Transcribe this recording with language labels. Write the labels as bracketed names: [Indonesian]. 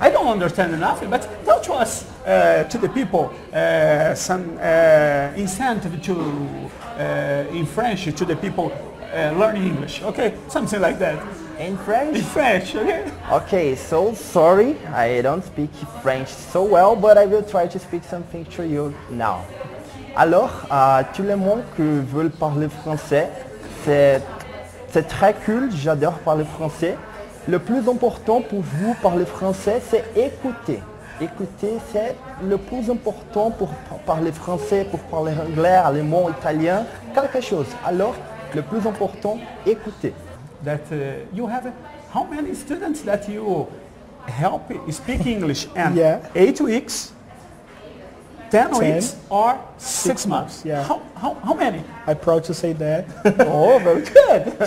[English] I don't understand enough, but tell to us to the people some incentive to in French to the people learning English. Okay, something like that. In French? In French, okay. Okay, so sorry, I don't speak French so well, but I will try to speak something to you now. [French] Alors, tout le monde qui veut parler français, c'est très cool, j'adore parler français. Le plus important pour vous parler français, c'est écouter. Écouter, c'est le plus important pour parler français, pour parler anglais, allemand, italien, quelque chose. Alors, le plus important, écouter. [English] That you have how many students that you help speak English and 8 weeks, 10 weeks, or six months. Yeah. How many? I'm proud to say that. Oh, very good.